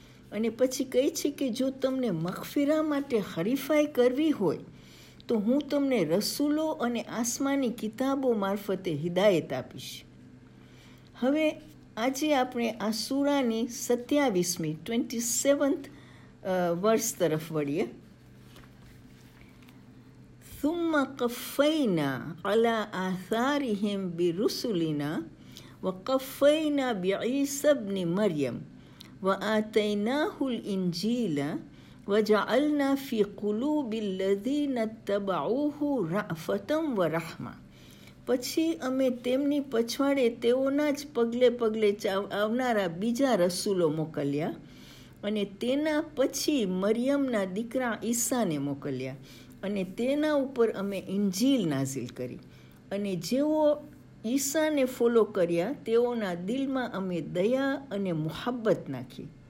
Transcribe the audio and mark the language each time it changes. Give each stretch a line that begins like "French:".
Gujarati: અને પછી કહે છે કે જો તમને મગફિરા માટે હરીફાઈ કરવી હોય તો હું તમને રસૂલો અને આસમાની કિતાબો મારફતે હિદાયત આપીશ. હવે આજે આપણે આ સૂરાની 27th વર્સ તરફ વળીએ.
Arabic: ثم قفينا على آثارهم برسلنا وقفينا بعيسى ابن مريم وآتيناه الإنجيل وجعلنا في قلوب الذين اتبعوه رأفة ورحمة.
Gujarati: પછી અમે તેમની પછવાડે તેઓના જ પગલે પગલે આવનારા બીજા રસૂલો મોકલ્યા અને તેના પછી મરિયમના દીકરા ઈસાને મોકલ્યા અને તેના ઉપર અમે ઇંજીલ નાઝિલ કરી અને જેઓ ઈસાને ફોલો કર્યા તેઓના દિલમાં અમે દયા અને મોહબ્બત નાખી.